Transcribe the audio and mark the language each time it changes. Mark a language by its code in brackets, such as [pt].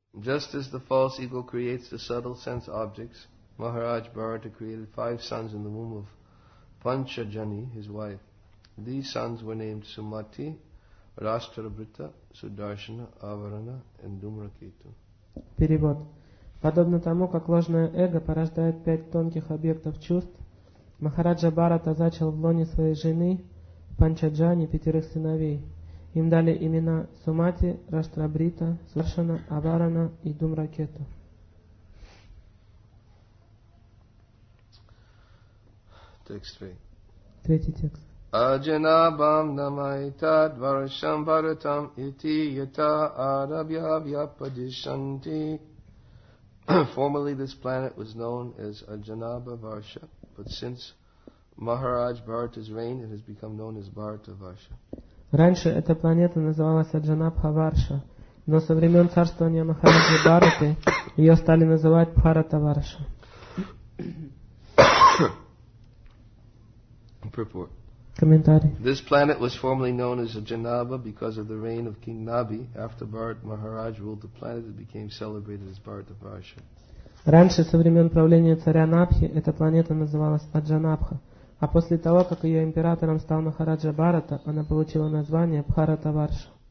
[en] Just as the false ego creates the subtle sense objects, Maharaj Bharata created 5 sons in the womb of Panchajani, his wife. These sons were named Sumati, Rashtrabhrita, Sudarshana, Avarana, and Dumraketu. [ru] Перевод. Подобно тому, как ложное эго порождает 5 тонких объектов чувств, Махараджа Бхарата зачал в лоне своей жены Панчаджани 5 сыновей. Им дали имена Сумати, Раштрабрита, Суршана, Аварана и Думракету. Текст 3. Третий текст. [sa] Аджана бам намайта дваршам Бхаратам ити ята арабья вьяпадишанти. [en] Formerly this planet was known as Ajanabha Varsha, but since Maharaj Bharata's reign, it has become known as Bharata Varsha. [ru] Раньше эта планета называлась Аджанабха Варша, но со времен царствования Махараджи Бхараты ее стали называть Бхарата Варша. Комментарий. [en] This planet was formerly known as Ajanabha because of the reign of King Nabi. After Bharat Maharaj ruled the planet, it became celebrated as Bharata Varsha. [ru] Раньше со времен правления царя Набхи эта планета называлась Аджанабха. А после того, как ее императором стал Махараджа Бхарата, она получила название Бхарата Варша.